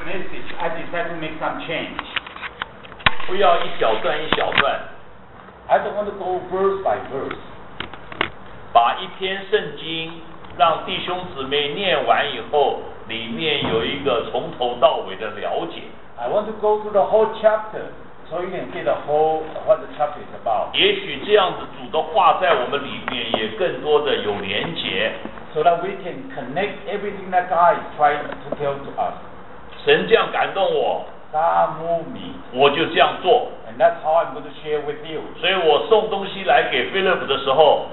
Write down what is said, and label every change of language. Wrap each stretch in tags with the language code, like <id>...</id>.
<en>message, I decided to make some change.</en> <zh>不要一小段一小段。</zh> <en>I don't want to go verse by verse.</en> <zh>把一篇圣经让弟兄姊妹念完以后，里面有一个从头到尾的了解。</zh> <en>I want to go through the whole chapter, so you can get the whole what the chapter is about.</en> <zh>也许这样子主的话在我们里面也更多的有连结。</zh> <en>So that we can connect everything that God is trying to tell to us.</en> <zh>神这样感动我。</zh> <en>God move me.</en> <zh>我就这样做。</zh> <en>And that's how I'm going to share with you.</en> <zh>所以我送东西来给 Philip 的时候。</zh>